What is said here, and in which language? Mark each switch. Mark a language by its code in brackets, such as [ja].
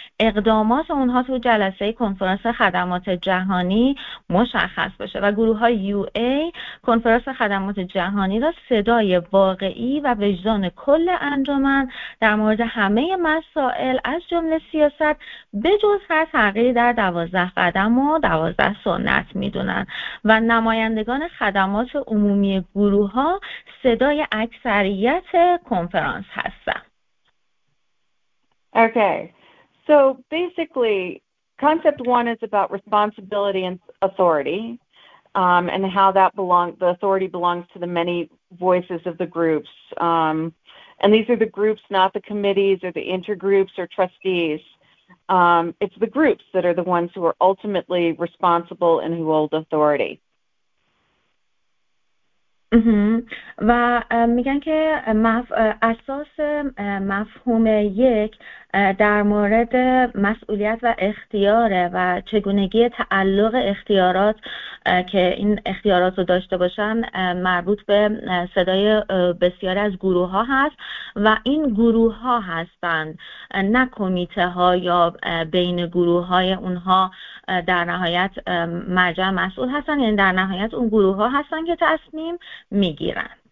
[fa] اقدامات اونها تو جلسه کنفرانس خدمات جهانی مشخص باشه و گروه های UA کنفرانس خدمات جهانی را صدای واقعی و وجدان کل انجمن در مورد همه مسائل از جمله سیاست به جز هر تغییری در 12 قدم و 12 سنت میدونن و نمایندگان خدمات عمومی گروه ها صدای اکثریت کنفرانس هستن. Okay. [en] So basically concept one is about responsibility and authority and how that the authority belongs to the many voices of the groups. And these are the groups, not the committees or the intergroups or trustees. It's the groups that are the ones who are ultimately responsible and who hold authority. [fa] و میگن که اساس مفهوم یک در مورد مسئولیت و اختیاره و چگونگی تعلق اختیارات که این اختیارات رو داشته باشن مربوط به صدای بسیاری از گروه ها هست و این گروه ها هستند نه کمیته ها یا بین گروه های اونها در نهایت مرجع مسئول هستن، یعنی در نهایت اون گروه ها هستن که تصمیم میگیرن.